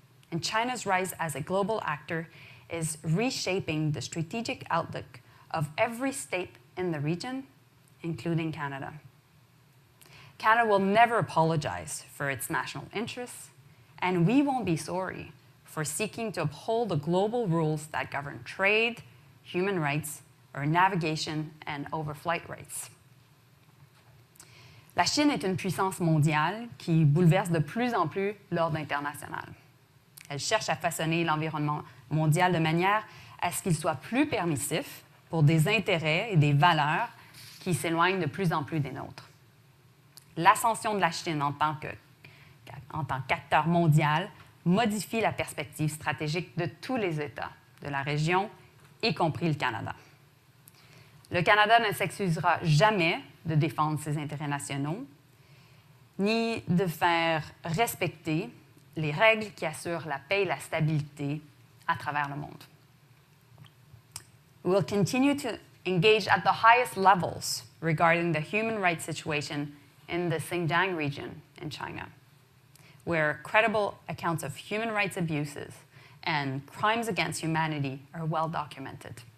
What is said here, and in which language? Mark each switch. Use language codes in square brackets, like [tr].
[en] And China's rise as a global actor is reshaping the strategic outlook of every state in the region, including Canada. Canada will never apologize for its national interests, and we won't be sorry for seeking to uphold the global rules that govern trade, human rights, or navigation and overflight rights. [fr] La Chine est une puissance mondiale qui bouleverse de plus en plus l'ordre international. Elle cherche à façonner l'environnement mondial de manière à ce qu'il soit plus permissif pour des intérêts et des valeurs qui s'éloignent de plus en plus des nôtres. L'ascension de la Chine en tant qu'acteur mondial modifie la perspective stratégique de tous les États de la région, y compris le Canada. Le Canada ne s'excusera jamais de défendre ses intérêts nationaux, ni de faire respecter les règles qui assurent la paix et la stabilité à travers le monde. [en] We will continue to engage at the highest levels regarding the human rights situation in the Xinjiang region in China, where credible accounts of human rights abuses and crimes against humanity are well documented.